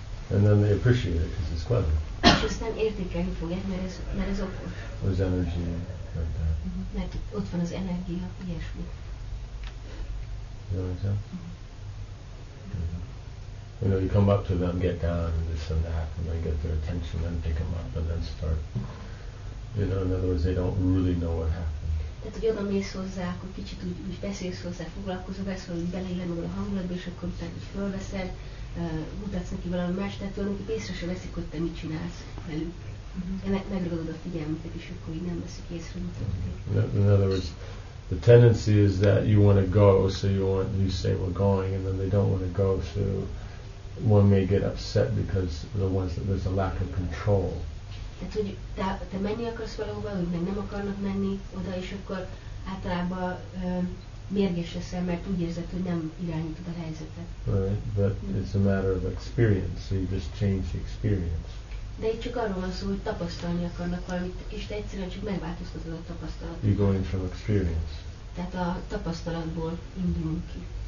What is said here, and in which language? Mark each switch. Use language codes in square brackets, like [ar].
[en] And then they appreciate it because it's clever. Just then, [hu] értékelni fogják, mert ez okos. [en] There's energy like that. Mm-hmm. [hu] Mert ott van az energia, ilyesmi. [en] You know what I'm saying? You know, you come up to them, get down, and this and that, and they get their attention, then pick them up, and then start. You know, in other words, they don't really know what happened. [hu] Tehát, hogy oda mész hozzá, akkor kicsit úgy beszélsz hozzá, foglalkozol, beszélsz, hogy beleillen a hangulatba, és akkor utána így fölveszel. Mutatsz neki valami más, tehát tulajdonképpen észre se veszik, hogy te mit csinálsz velük. Mm-hmm. Megragadod a figyelmüket, és akkor így nem veszik észre, mit történik. [en] In other words, the tendency is that you want to go, so you say we're going, and then they don't want to go, so one may get upset because there's a lack of control. [hu] Tehát, hogy te menni akarsz valahova, hogy meg nem akarnak menni oda, és akkor általában mérges leszel, mert úgy érzed, hogy nem irányítod a helyzetet. [en] Right, but it's a matter of experience, so you just change the experience. [hu] De itt csak arról van szó, hogy tapasztalni akarnak valamit, és te egyszerűen csak megváltoztatod a tapasztalatot. [en] You're going from experience. [hu] Tehát a tapasztalatból indulunk ki.